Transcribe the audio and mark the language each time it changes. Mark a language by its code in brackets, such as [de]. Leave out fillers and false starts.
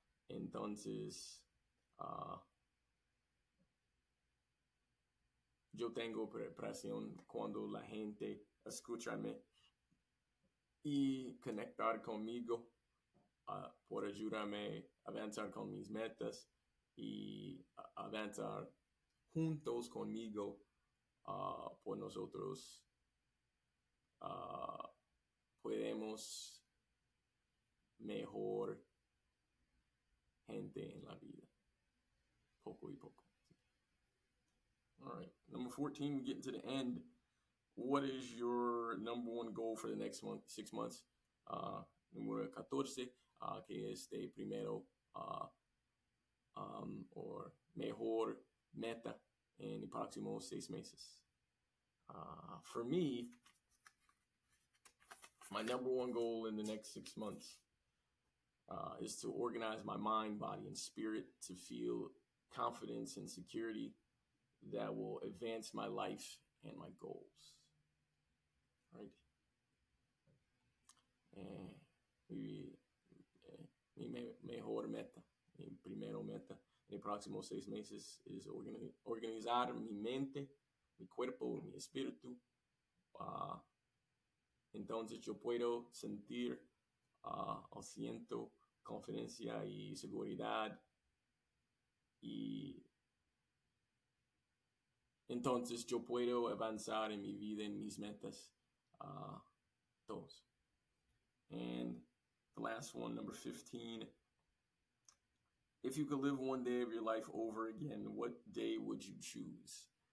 [es] Entonces, yo tengo presión cuando la gente escúchame y conectar conmigo por ayudarme a avanzar con mis metas y avanzar juntos conmigo por nosotros. Podemos mejor gente en la vida poco y poco. [en] All right, number 14, we're getting to the end. What is your number one goal for the next month, 6 months? [es] Número 14, que este primero [en] or [es] mejor meta en el próximo 6 meses. [en] For me, my number one goal in the next 6 months is to organize my mind, body, and spirit to feel confidence and security that will advance my life and my goals. All right? [es] Mi mejor meta, mi primero meta en los próximos 6 meses es organizar mi mente, mi cuerpo, mi espíritu. Entonces yo puedo sentir, siento confianza y seguridad. Y entonces yo puedo avanzar en mi vida, en mis metas, todos. [en] And the last one, number 15. If you could live one day of your life over again, what day would you choose?